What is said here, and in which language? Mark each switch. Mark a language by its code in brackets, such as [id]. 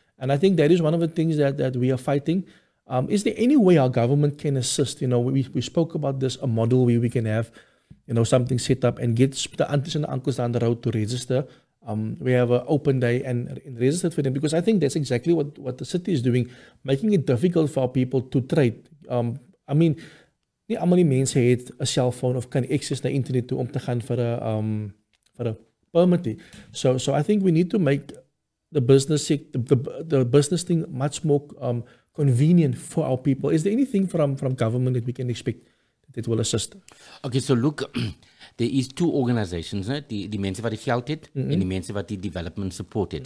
[en] And I think that is one of the things that we are fighting. Is there any way our government can assist? You know, we spoke about this, a model where we can have, you know, something set up and get the aunties and the uncles down the road to register. We have an open day and register for them, because I think that's exactly what the city is doing, making it difficult for our people to trade. [af] I mean, nie almal die mense het 'n selfoon of kan access na internet toe om te gaan vir 'n permit. [en] So I think we need to make the business the business thing much more convenient for our people. Is there anything from government that we can expect that will assist? Okay, so look, there is two organizations, right? [af] Die mense wat die geld het en die mense wat die development support het.